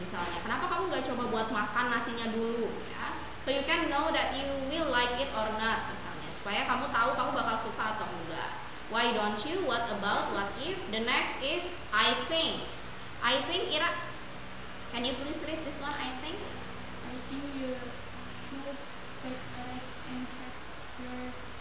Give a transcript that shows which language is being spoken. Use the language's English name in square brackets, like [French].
[Indonesian] Misalnya, kenapa kamu nggak coba buat makan nasinya dulu? Ya? [English] So you can know that you will like it or not. [Indonesian] Misalnya, supaya kamu tahu kamu bakal suka atau enggak. Why don't you? What about? What if? The next is I think. I think, Ira, can you please read this one? I think. I think you should take and check your.